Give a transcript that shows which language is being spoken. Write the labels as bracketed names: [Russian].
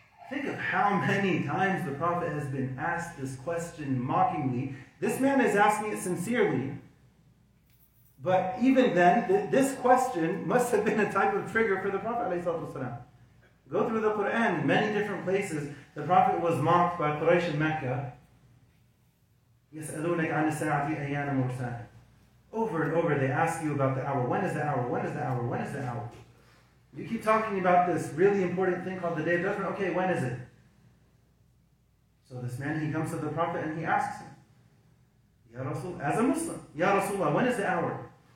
[English] Think of how many times the Prophet has been asked this question mockingly. This man is asking it sincerely. But even then, this question must have been a type of trigger for the Prophet. Go through the Quran, many different places. The Prophet was mocked by Quraysh in Mecca. [Arabic] يسألونك عن الساعة أيان مرساة. [English] Over and over they ask you about the hour. When is the hour? When is the hour? When is the hour? You keep talking about this really important thing called the Day of Judgment. Okay, when is it? So this man, he comes to the Prophet and he asks him, Ya Rasul, as a Muslim, Ya Rasulullah, when is the hour?